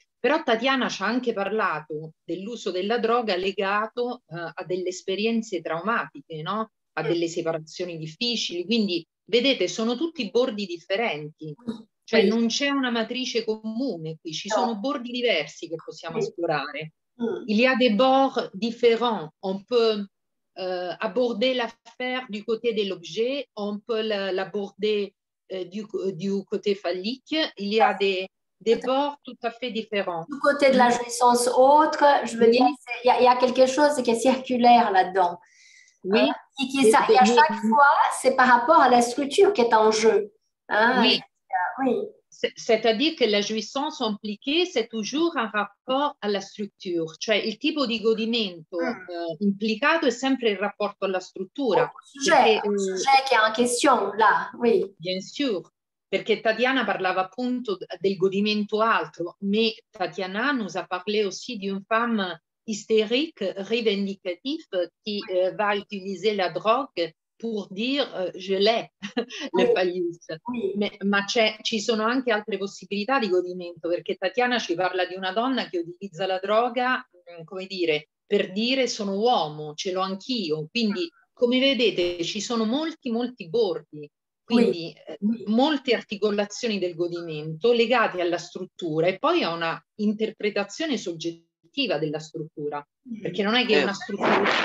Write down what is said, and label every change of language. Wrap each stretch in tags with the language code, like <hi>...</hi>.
<it>Però Tatiana ci ha anche parlato dell'uso della droga legato a delle esperienze traumatiche, no? A delle separazioni difficili. Quindi, vedete, sono tutti bordi differenti. Cioè non c'è una matrice comune qui, ci sono bordi diversi che possiamo esplorare.</it> <fr>Il y a des bords différents, on peut... aborder l'affaire du côté de l'objet, on peut l'aborder du côté phallique, il y a des bords tout à fait différents. Du côté de la jouissance autre, je veux dire, il y a quelque chose qui est circulaire là-dedans. Oui. Et à chaque fois, c'est par rapport à la structure qui est en jeu. Hein? Oui. C'est-à-dire que la jouissance impliquée, c'est toujours un rapport à la structure.</fr> <it>Cioè, il tipo di godimento implicato è sempre il rapporto alla struttura.</it> <fr>Un sujet qui est en question, là, oui. Bien sûr,</fr> <it>perché Tatiana parlava appunto del godimento altro, ma</it> <fr>Tatiana nous a parlé aussi d'une femme hystérique, revendicative, qui va utiliser la drogue pour dire je l'ai, le phallus. Oui.</fr> <it>Ma ci sono anche altre possibilità di godimento, perché Tatiana ci parla di una donna che utilizza la droga, come dire, per dire sono uomo, ce l'ho anch'io. Quindi, come vedete, ci sono molti, molti bordi. Quindi molte articolazioni del godimento legate alla struttura e poi a una interpretazione soggettiva della struttura, perché non è che è una struttura.</it>